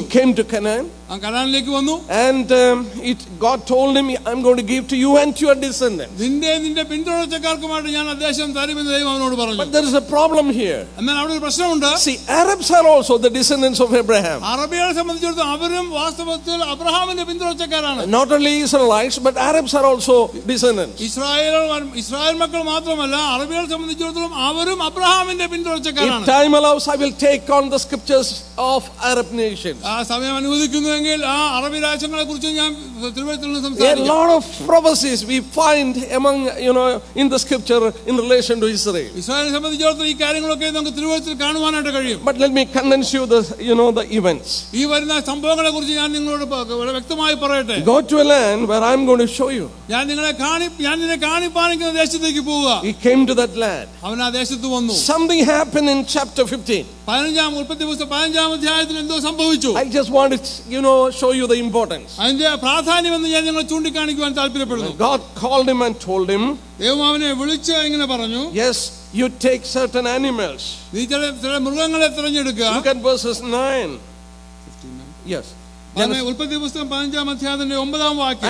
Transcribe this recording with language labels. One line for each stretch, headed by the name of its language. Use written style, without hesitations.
English: He came to Canaan.
Malayalam: ആ കനാനിലേക്ക് വന്നു.
English: And God told him, I'm going to give to you and to your descendants.
Malayalam: നിന്റെ നിന്റെ പിന്തുടർച്ചക്കാർക്കുമായിട്ട് ഞാൻ ആ ദേശം തരുമെന്ന് ദൈവം അവനോട് പറഞ്ഞു.
English: But there is a problem here.
Malayalam: എന്നാൽ അവിടെ ഒരു പ്രശ്നമുണ്ട്.
English: See, Arabs are also the descendants of Abraham.
Malayalam: അറബികളെ സംബന്ധിച്ചിടത്തോളം അവരും വാസ്തവത്തിൽ അബ്രഹാമിന്റെ പിന്തുടർച്ചക്കാരാണ്.
English: Not only Israelites but Arabs are also descendants.
Malayalam: Israel മക്കൾ മാത്രമല്ല അറബികൾ സംബന്ധിച്ചിടത്തോളം അവരും അബ്രഹാമിന്റെ പിന്തുടർച്ചക്കാരാണ്.
English: If time allows I will take on the scriptures of Arab nations.
Malayalam: ആ സമയം അനുവദിക്കുന്നുവെങ്കിൽ ആ അറബി രാജ്യങ്ങളെ കുറിച്ച് ഞാൻ തിരുവചനത്തിൽ സംസാരിക്കും.
English: A lot of prophecies we find among you know in the scripture in relation to Israel.
Malayalam: ഇസ്രായേലിനെ സംബന്ധിച്ചിടത്തോളം ഈ കാര്യങ്ങളൊക്കെ നമുക്ക് തിരുവചനത്തിൽ കാണുവാനായിട്ട് കഴിയും.
English: But let me convince you the events.
Malayalam: ഈ വരുന്ന സംഭവങ്ങളെ കുറിച്ച് ഞാൻ നിങ്ങളോട് വളരെ വ്യക്തമായി പറയട്ടെ.
English: Go to a land where I'm going to show you.
Malayalam: ഞാൻ നിങ്ങളെ കാണിപ്പാനിക്കുന്ന ദേശത്തേക്ക് പോവുക.
English: He came to that land.
Malayalam: അവൻ ആ ദേശത്ത് വന്നു.
English: Something happened in chapter 15.
Malayalam: പതിനഞ്ചാം ഉൽപ്പത്തി പുസ്തകം പതിനഞ്ചാം അധ്യായത്തിൽ എന്തോ സംഭവിച്ചു.
English: I just want to show you the importance.
Malayalam: അതിന്റെ പ്രാധാന്യം എന്ന് ഞാൻ നിങ്ങളെ ചൂണ്ടിക്കാണിക്കുവാൻ താല്പര്യപ്പെടുന്നു.
English: God called him and told him.
Malayalam: ദൈവം അവനെ വിളിച്ച് ഇങ്ങനെ പറഞ്ഞു.
English: Yes. You take certain animals.
Malayalam: നീ ചില മൃഗങ്ങളെ തിരഞ്ഞെടുക്കുക.
English: Look at verses 9. Yes.
Malayalam: അതിനെ ഉൽപ്പത്തി പുസ്തകം പതിനഞ്ചാം അധ്യായത്തിന്റെ ഒമ്പതാം വാക്യം.